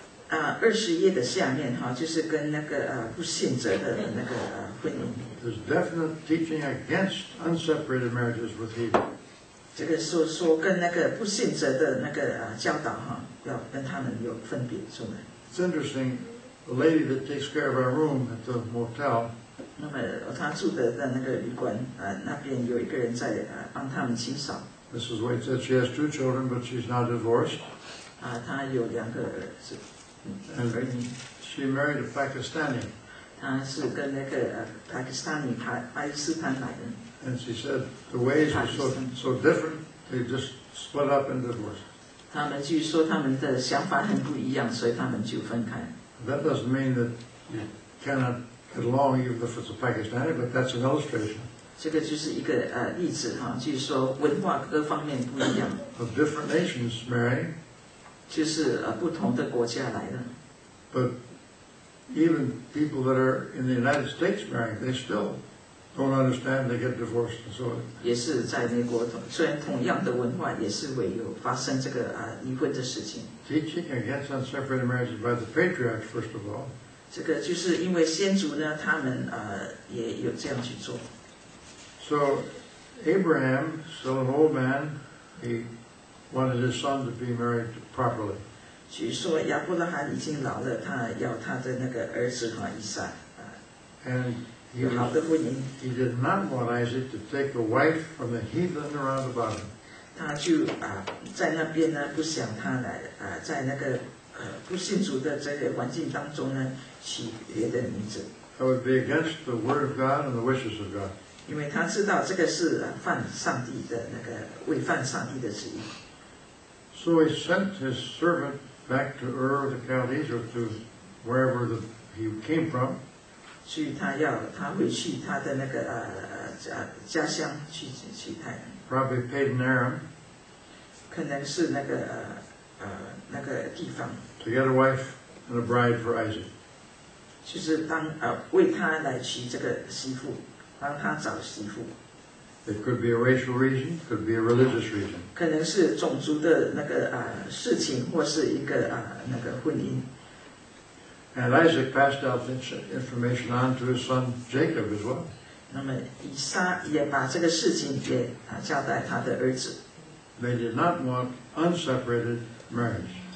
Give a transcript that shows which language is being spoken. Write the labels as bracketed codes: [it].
[zh] 二十页的下面哈，就是跟那个不信者的那个婚姻。 [en] There's definite teaching against unseparated marriages with heathen. [zh] 这个说跟那个不信者的那个教导哈，要跟他们有分别出来。 [en] It's interesting, the lady that takes care of our room at the motel. [zh] 那么她住的在那个旅馆那边有一个人在帮他们清扫。 [en] Mrs. White said she has two children, but she's now divorced. [zh] 她有两个儿子。 [en] And she married a Pakistani. [zh] 是跟那个巴基斯坦女孩巴基斯坦来的。 [en] And she said the ways are so different. They just split up and divorced. [zh] 他们据说他们的想法很不一样，所以他们就分开。 [en] That doesn't mean that you cannot get along even if it's a Pakistani, but that's an illustration. [zh] 这个就是一个例子哈，据说文化各方面不一样。 [en] Of different nations, Mary. [zh] 就是不同的国家来的。 [en] But even people that are in the United States, Mary, they still don't understand. They get divorced and so on. [zh] 也是在美国，虽然同样的文化，也是会有发生这个离婚的事情。 [en] Teaching against unseparated marriages by the patriarchs, first of all. [zh] 这个就是因为先祖呢，他们也有这样去做。 [en] So Abraham, still an old man, he wanted his son to be married properly. [zh] 据说亚伯拉罕已经老了，他要他的那个儿子哈以撒。 [en] And he did not want Isaac to take a wife from the heathen around about him. [zh] 他就在那边呢，不想他来在那个不信主的这个环境当中呢，娶别的女子。 [en] That would be against the word of God and the wishes of God. [zh] 因为他知道这个是犯上帝的那个违反上帝的旨意。 [en] So he sent his servant back to Ur of the Chaldees or to wherever he came from. [zh] 去他要他回去他的那个家乡去他。 [en] Probably Padan Aram. [zh] 可能是那个那个地方。 [en] To get a wife and a bride for Isaac. [zh] 就是当为他来娶这个媳妇，帮他找媳妇。 [en] It could be a racial reason, could be a religious reason. [zh] 可能是种族的那个事情，或是一个那个婚姻。 [en] And Isaac passed out information on to his son Jacob as well. [zh] 那么以撒也把这个事情也交代他的儿子。 [en] They did not want unseparated marriage.